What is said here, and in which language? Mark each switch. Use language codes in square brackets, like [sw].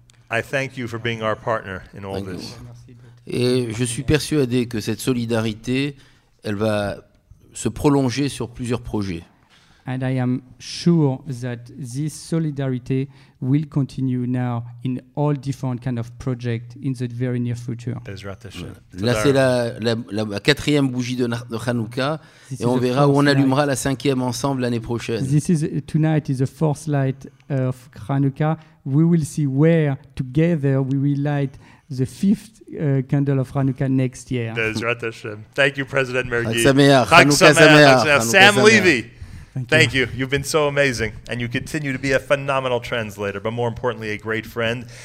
[en] I thank you for being our partner in all this. [fr] Et je suis persuadé que cette solidarité, elle va se prolonger sur plusieurs projets. [en] And I am sure that this solidarity will continue now in all different kind of projects in the very near future. [fr] Là, c'est la quatrième bougie de Hanouka, et on verra où on allumera la cinquième ensemble l'année prochaine. [en] Tonight is the fourth light of Hanouka. We will see where together we will light the fifth candle of Hanukkah next year. Thank you, President Mergi. Sam Levy. Thank you. You've been so amazing. And you continue to be a phenomenal translator, but more importantly, a great friend.